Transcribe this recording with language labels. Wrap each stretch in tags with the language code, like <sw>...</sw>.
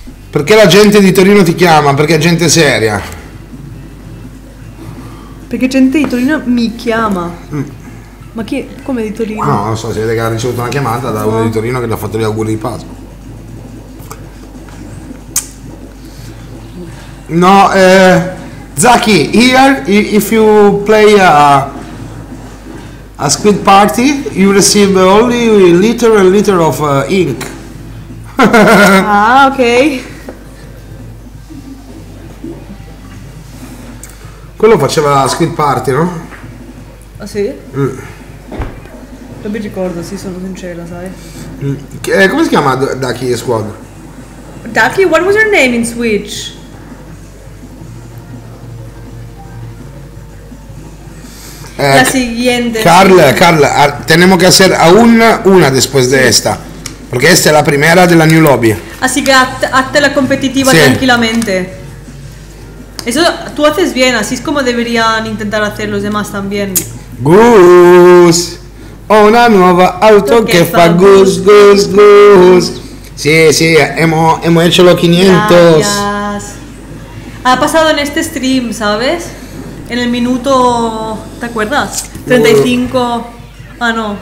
<it>Perché la gente di Torino ti chiama? Perché è gente seria. Perché gente di Torino mi chiama. Ma chi è? Come di Torino? No, non so, si vede che ha ricevuto una chiamata da uno di Torino che gli ha fatto gli auguri di Pasqua.</it> <en>No, Zaki, here, if you play a squid party, you receive only a liter and liter of ink. Ah, ok.</en> <it>Quello faceva Squid Party, no? Ah, sì? Non mi ricordo, sì, sono sincera, sai. Come si chiama Ducky Squad?</it> <en>Ducky, what was your name in Switch?</en> <es>La siguiente. Carl, tenemos que hacer aún una después de esta.</es> <it>Perché questa è la prima della</it> <en>new lobby.</en> <it>Ah sì, che a te la competitiva, sì. Tranquillamente.</it> <es>E so, tu haces bien, así es como deberían intentar hacer los demás también.</es> <it>Gus, ho una nuova auto che fa gus, gus, gus. Sì, sì,</it> <es>hemo hecho los 500. Gracias. Ha pasado en este stream, ¿sabes? En el minuto, ¿te acuerdas? 35. Ah, no.</es>